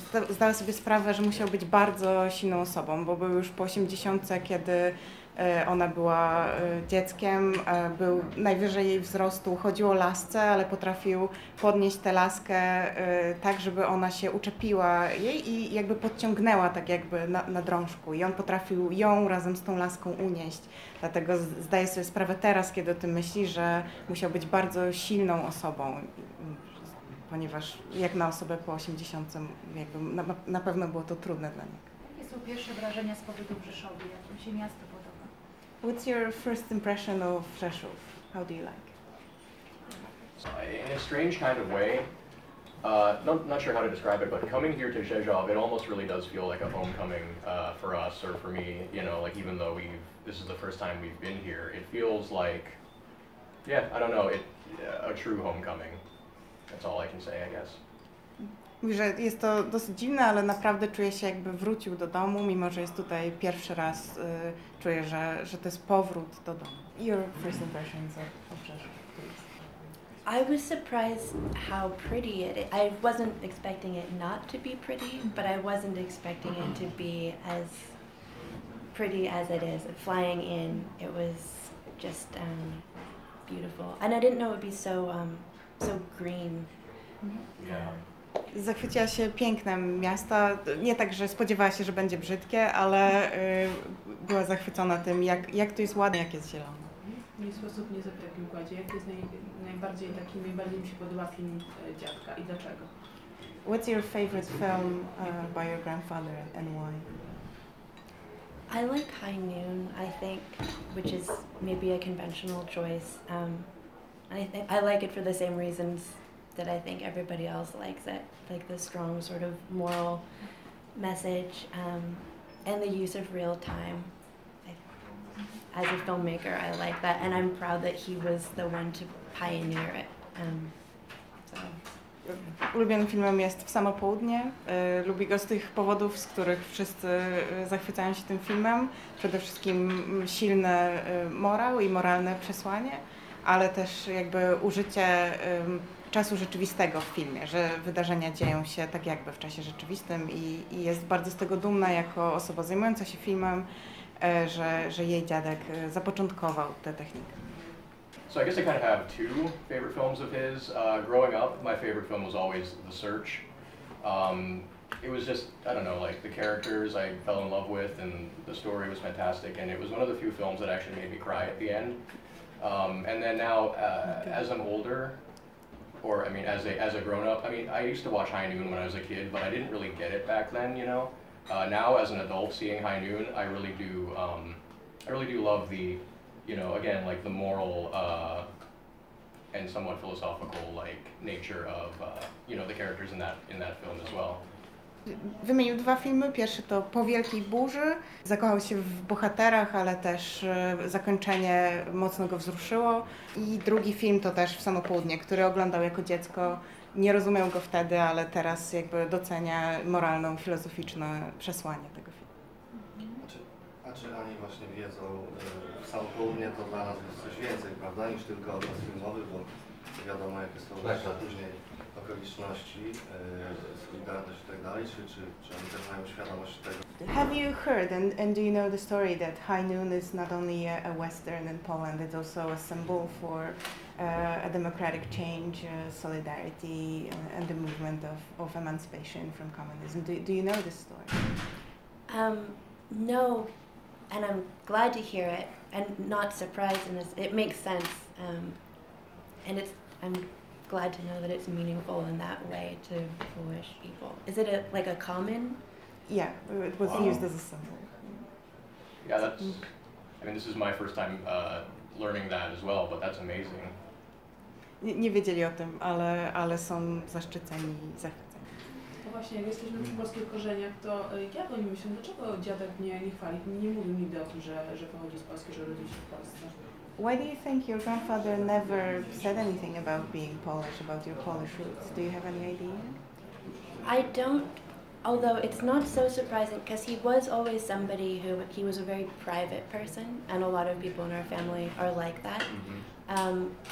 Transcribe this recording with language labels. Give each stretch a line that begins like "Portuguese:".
Polish: Zdała sobie sprawę, że musiał być bardzo silną osobą, bo był już po 80, kiedy ona była dzieckiem, był najwyżej jej wzrostu, chodził o lasce, ale potrafił podnieść tę laskę tak, żeby ona się uczepiła jej i jakby podciągnęła tak jakby na drążku i on potrafił ją razem z tą laską unieść. Dlatego zdaję sobie sprawę teraz, kiedy o tym myśli, że musiał być bardzo silną osobą, ponieważ jak na osobę po 80 jakby na pewno było to trudne dla niego. Jakie są pierwsze wrażenia z pobytu w Rzeszowie? Jak mi się miasto podoba?
English: What's your first impression of Rzeszów? How do you like? In a strange kind of way, not sure how to describe it, but coming here to Rzeszów, it almost really does feel like a homecoming for us or for me, you know, like even though this is the first time we've been here, it feels like, yeah, I don't know, a true homecoming. That's all I can say, I guess.
Polish: Mówi, że jest to dosyć dziwne, ale naprawdę czuje się, jakby wrócił do domu, mimo że jest tutaj pierwszy raz, czuje, że to jest powrót do domu.
English: Your first impressions of Rzeszów, please. I was surprised how pretty it is. I wasn't expecting it not to be pretty, but I wasn't expecting it to be as pretty as it is. Flying in, it was just beautiful. And I didn't know it would be so, so green. Yeah.
Polish: Zachwyciła się pięknem miasta, nie tak, że spodziewała się, że będzie brzydkie, ale była zachwycona tym, jak to jest ładne, jak jest zielone. Nie sposób nie zapytać w takim układzie, jak jest najbardziej taki, najbardziej mi się podoba film Dziadka i dlaczego?
English: What's your favorite film by your grandfather and why? I like High Noon, I think, which is maybe a conventional choice. I like it for the same reasons that I think everybody else likes it, like the strong sort of moral message and the use of real time. As a filmmaker, I like that, and I'm proud that he was the one to pioneer it.
Polish: Ulubionym filmem jest W samo południe. Lubi go z tych powodów, z których wszyscy zachwycają się tym filmem. Przede wszystkim silny morał i moralne przesłanie, ale też jakby użycie czasu rzeczywistego w filmie, że wydarzenia dzieją się tak jakby w czasie rzeczywistym i jest bardzo z tego dumna jako osoba zajmująca się filmem, że jej dziadek zapoczątkował tę technikę.
English: So I guess I kind of have two favorite films of his. Growing up, my favorite film was always The Search. It was just, I don't know, like the characters I fell in love with and the story was fantastic and it was one of the few films that actually made me cry at the end. And then now, as I'm older, or I mean, as a grown-up, I mean, I used to watch High Noon when I was a kid, but I didn't really get it back then, you know? Now, as an adult, seeing High Noon, I really do love the, you know, again, like the moral and somewhat philosophical, like, nature of, you know, the characters in that film as well.
Polish: Wymienił dwa filmy. Pierwszy to Po wielkiej burzy. Zakochał się w bohaterach, ale też zakończenie mocno go wzruszyło. I drugi film to też W samo południe, który oglądał jako dziecko. Nie rozumiał go wtedy, ale teraz jakby docenia moralną, filozoficzne przesłanie tego filmu. A czy oni właśnie wiedzą, W samo południe to dla nas jest coś więcej, prawda, niż tylko obraz filmowy, bo wiadomo, jakie są lepsze później okoliczności, solidarność i tak dalej, czy oni też mają świadomość tego?
English: Have you heard and do you know the story that High Noon is not only a Western in Poland, it's also a symbol for a democratic change, solidarity, and the movement of emancipation from communism? Do you know this story? No, and I'm glad to hear it, and not surprised, and it makes sense, and it's I'm glad to know that it's meaningful in that way to Polish people. Is it like a common? Yeah, it was used as a symbol. Yeah, this is my first time learning that as well, but that's amazing.
Polish: Nie wiedzieli o tym, ale są zaszczyceni i zachwyceni. To właśnie, jak jesteśmy przy polskich korzeniach, to ja bym myślał, dlaczego dziadek nie chwali, nie mówił nigdy o tym, że pochodzi z Polski, że rodzi się w Polsce.
English: Why do you think your grandfather never said anything about being Polish, about your Polish roots? Do you have any idea? I don't, although it's not so surprising, because he was always somebody who, he was a very private person, and a lot of people in our family are like that. Mm-hmm.